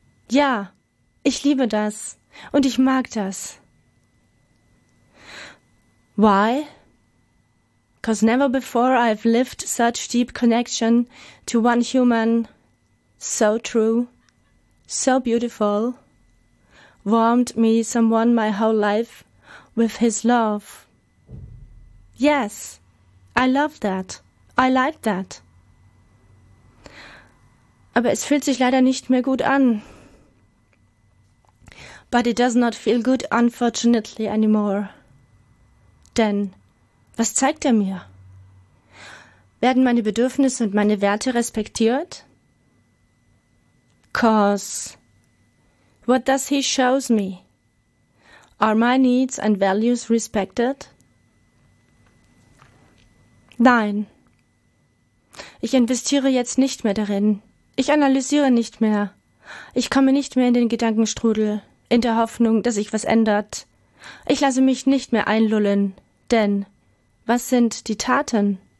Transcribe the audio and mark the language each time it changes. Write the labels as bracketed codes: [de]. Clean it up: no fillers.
[de] Ja, ich liebe das und ich mag das. [en] Why? 'Cause never before I've lived such deep connection to one human, so true, so beautiful, warmed me someone my whole life with his love. Yes. I love that. I like that. [de] Aber es fühlt sich leider nicht mehr gut an. [en] But it does not feel good, unfortunately, anymore. [de] Denn was zeigt er mir? Werden meine Bedürfnisse und meine Werte respektiert? [en] 'Cause what does he shows me? Are my needs and values respected? [de] Nein. Ich investiere jetzt nicht mehr darin. Ich analysiere nicht mehr. Ich komme nicht mehr in den Gedankenstrudel, in der Hoffnung, dass sich was ändert. Ich lasse mich nicht mehr einlullen, denn was sind die Taten?